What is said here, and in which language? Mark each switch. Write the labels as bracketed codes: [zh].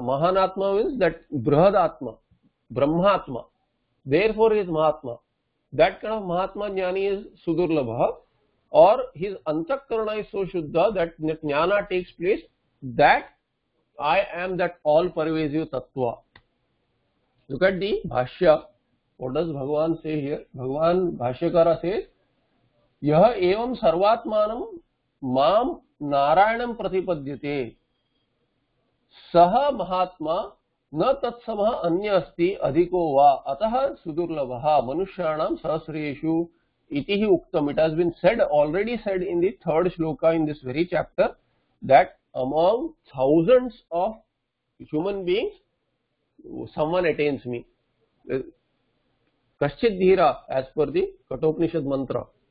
[en] Mahanatma means that Brahadatma, Brahmatma. Therefore he is Mahatma. That kind of Mahatma Jnani is Sudurlabha. Or his Antakarana is so Shuddha that Jnana takes place, that I am that all pervasive Tattva. Look at the Bhashya. What does Bhagavan say here? Bhagavan Bhashyakara says, [sa] Yaha evam sarvatmanam mam नारायणं प्रतिपद्यते सह महात्मा न तत्समः अन्य अस्ति अधिको वा अतः सुदुर्लभः मनुष्याणां सहस्रेषु इति हि उक्तम. [en] It has been said, already said in the third shloka in this very chapter, that among thousands of human beings someone attains me. Kaschid dhira, as per the Katopanishad mantra.